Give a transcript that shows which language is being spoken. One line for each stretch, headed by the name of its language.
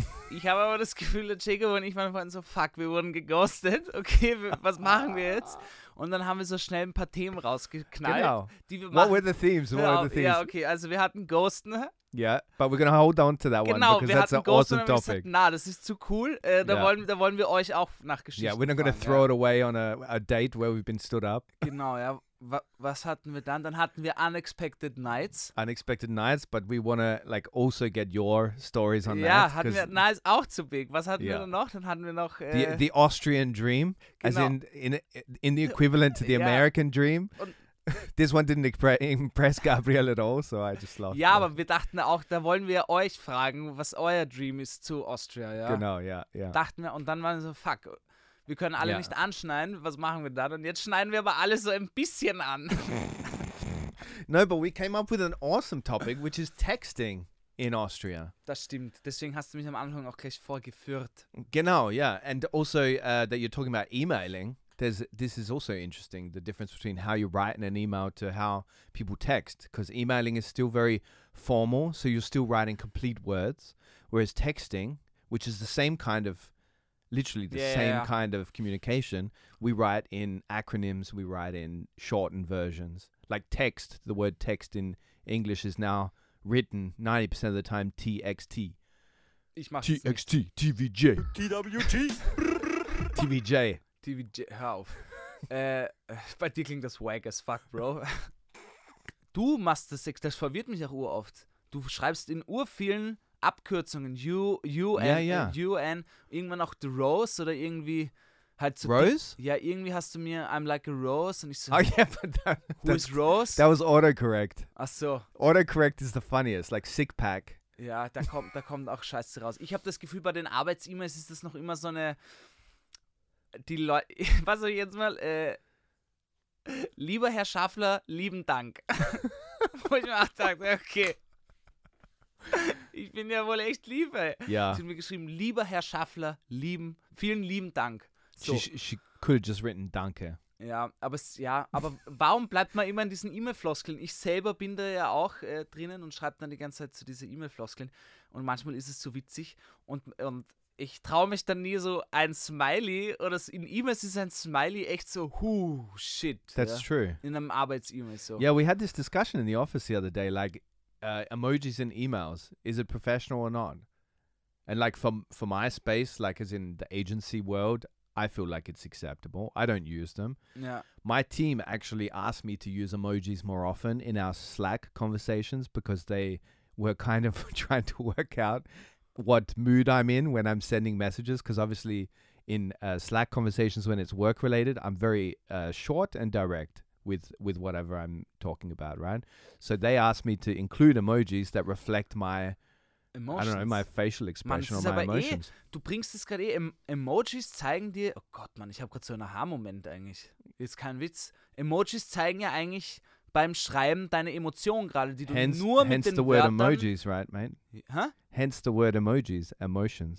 German: Ich habe aber das Gefühl, dass Jacob und ich waren vorhin so, fuck, wir wurden geghostet, okay, was machen wir jetzt? Und dann haben wir so schnell ein paar Themen rausgeknallt, die wir machen.
English: What were the themes?
German: Ja, okay, also wir hatten Ghosten.
English: Yeah, but we're going to hold on to that one because that's an awesome topic.
German: Na, das ist zu cool. Da wollen wir euch auch nach Geschichten.
English: Yeah, we're not going to throw it away on a date where we've been stood up.
German: Genau, ja. Was hatten wir dann? Dann hatten wir Unexpected Nights.
English: Unexpected Nights, but we want to like also get your stories on that.
German: Ja, hatten wir, nice, auch zu big. Was hatten wir dann noch? Dann hatten wir noch...
English: The Austrian Dream, as in the equivalent to the American Dream. This one didn't impress Gabriel at all, so I just lost.
German: Ja, aber wir dachten auch, da wollen wir euch fragen, was euer Dream ist zu Austria, ja? Genau, ja. Dachten wir, und dann waren wir so, fuck, wir können alle nicht anschneiden, was machen wir dann? Und jetzt schneiden wir aber alle so ein bisschen an.
English: No, but we came up with an awesome topic, which is texting in Austria.
German: Das stimmt, deswegen hast du mich am Anfang auch gleich vorgeführt.
English: Genau, yeah, and also that you're talking about emailing. This is also interesting, the difference between how you write in an email to how people text, because emailing is still very formal, so you're still writing complete words, whereas texting, which is the same kind of, literally the same kind of communication, we write in acronyms, we write in shortened versions. Like text, the word text in English is now written 90% of the time TXT.
German: Ich mach TXT, TVJ. TWT. TVJ. TVJ, hör auf. bei dir klingt das wack as fuck, Bro. Du machst das verwirrt mich auch uroft. Du schreibst in urvielen Abkürzungen, UN, irgendwann auch The Rose oder irgendwie halt so. Rose? Ja, irgendwie hast du mir I'm like a Rose und ich so.
English: Oh yeah, but that, who is Rose? That was autocorrect.
German: Ach so.
English: Autocorrect is the funniest, like sick pack.
German: Ja, da kommt auch Scheiße raus. Ich habe das Gefühl, bei den Arbeits-E-Mails ist das noch immer so eine. Die Leute, was soll ich jetzt mal, lieber Herr Schaffler, lieben Dank. Wo ich mir auch dachte, okay, ich bin ja wohl echt lieb, ey. Ja. Sie hat mir geschrieben, lieber Herr Schaffler, vielen lieben Dank. So.
English: She could have just written danke.
German: Ja, aber warum bleibt man immer in diesen E-Mail-Floskeln? Ich selber bin da ja auch drinnen und schreibe dann die ganze Zeit zu diesen E-Mail-Floskeln. Und manchmal ist es so witzig und ich traue mich dann nie so ein Smiley oder in E-Mails ist ein Smiley echt so, huh, shit.
English: That's true.
German: In einem Arbeits-E-Mail so.
English: Yeah, we had this discussion in the office the other day, like emojis in emails, is it professional or not? And like for my space, like as in the agency world, I feel like it's acceptable. I don't use them. Yeah. My team actually asked me to use emojis more often in our Slack conversations because they were kind of trying to work out what mood I'm in when I'm sending messages, because obviously in Slack conversations when it's work related, I'm very short and direct with whatever I'm talking about, right? So they asked me to include emojis that reflect my emotions. I don't know, my facial expression, man, or my emotions.
German: Du bringst es gerade Emojis zeigen dir, oh Gott, man, ich habe gerade so einen Aha-Moment eigentlich. Ist kein Witz. Emojis zeigen ja eigentlich beim Schreiben deine Emotionen gerade, die du
English: hence,
German: nur mit den
English: the word emojis, right, mate? Huh? Hence the word emojis, emotions.